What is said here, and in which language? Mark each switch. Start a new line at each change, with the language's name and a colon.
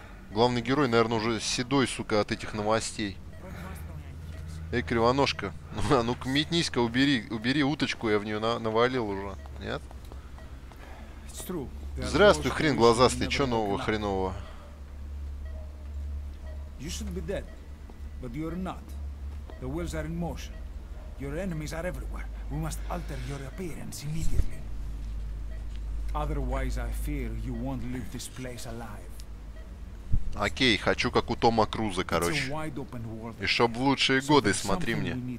Russian: Главный герой, наверное, уже седой, сука, от этих новостей. Эй, кривоножка, ну-ка, метнись-ка, убери уточку, я в нее навалил уже, нет? Здравствуй, хрен глазастый, чё нового хренового?
English: But you're not. The wheels are in motion. Your enemies are everywhere. We must alter your appearance immediately. Otherwise, I fear you won't leave this place alive.
Russian: Окей, хочу как у Тома Круза, короче. И чтоб в лучшие годы, смотри мне.